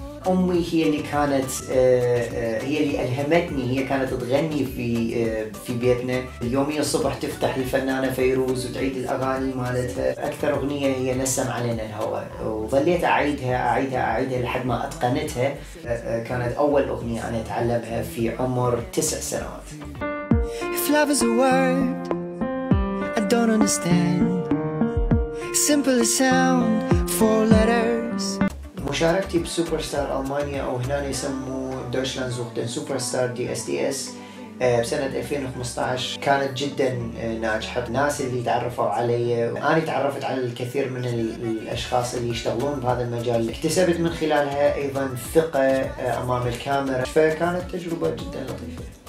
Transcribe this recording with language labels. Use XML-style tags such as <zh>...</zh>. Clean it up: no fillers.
<ar>أمي هي اللي كانت هي اللي ألهمتني، هي كانت تغني في بيتنا يومي الصبح، تفتح الفنانة فيروز وتعيد الأغاني مالتها. أكثر أغنية هي نسم علينا الهواء، وظليت أعيدها لحد ما أتقنتها. كانت أول أغنية أنا أتعلمها في عمر 9 سنوات.</ar> <en>If love is a word I don't understand, simple sound four letters.</en> <ar>مشاركتي بسوبر ستار ألمانيا، أو هنا يسموه دوتشلاند زوختن سوبر ستار DSDS، بسنة 2015 كانت جدا ناجحة. الناس اللي تعرفوا علي، أنا تعرفت على الكثير من الأشخاص اللي يشتغلون بهذا المجال، اكتسبت من خلالها أيضا ثقة أمام الكاميرا، فكانت تجربة جدا لطيفة.</ar>